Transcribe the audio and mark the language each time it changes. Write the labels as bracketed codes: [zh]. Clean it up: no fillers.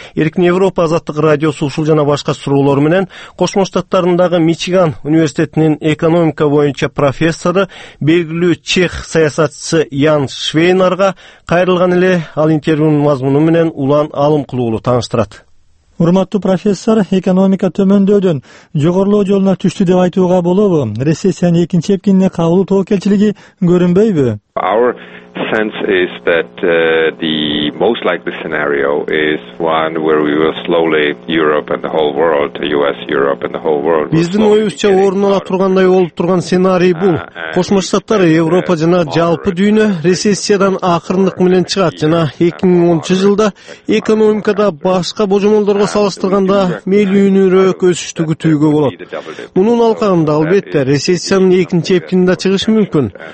[ky] Эркин Европа Азаттык радиосу ушул жана башка суроолор менен Кошмо Штаттарындагы Мичиган университетинин экономика боюнча профессору белгилүү чех саясатчысы Ян Швейнарга кайрылган эле ал интервьюнун мазмуну менен Улан Алымкулуулу тааныштырат. Урматтуу профессор, экономика төмөндөөдөн жогорулоо жолуна түштү деп айтууга болобу? Рецессиянын экинчи эпкинине кабылуу тобокелчилиги көрүнбөйбү? [en] Our sense is that the most likely scenario is one where we will slowly Europe and the whole world, US, Europe and the whole world. [ky] Биздин оюбузча орун ала тургандай болуп турган сценарий бул. Кошмо Штаттар, Европа жана жалпы дүйнө рецессиядан акырындык менен чыгат жана 2010 жылда экономикада башка божомолдорго салыштырганда мейлүүнүрөөк өсүштү күтүүгө болот. Мунун алкагында албетте рецессиянын экинчи эпкинде чыгышы мүмкүн.